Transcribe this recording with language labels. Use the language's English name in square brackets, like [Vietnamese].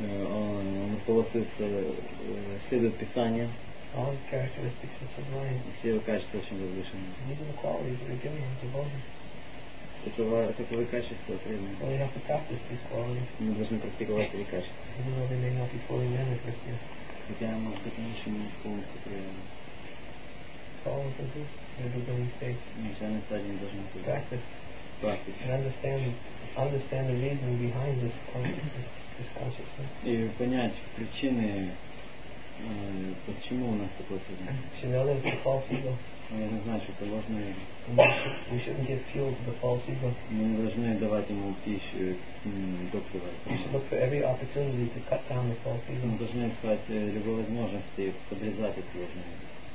[Russian] Он руководствуется, следует Писанием. [English] All his characteristics are sublime. [Russian] Все его качества очень возвышены. [English] These are the qualities that are given him to Bodhi. [Russian] Таковы качества преданные. [English] Well, you have to practice these qualities. [Russian] Мы должны практиковать эти качества. [English] Even though they may not be fully manifest yet. [Russian] Хотя, может быть, они еще не полностью преданы. [English] All of this is in the beginning stage. Practice. And understand the reason behind this consciousness. [Russian] И понять причины, почему у нас такое сознание. Мы должны знать, что это ложное эго. [English] We shouldn't give fuel to the false ego. [Russian] Мы не должны давать ему пищу, топливо. [English] We should look for every opportunity to cut down the false ego. [Russian] Мы должны искать любые возможности подрезать это ложное эго.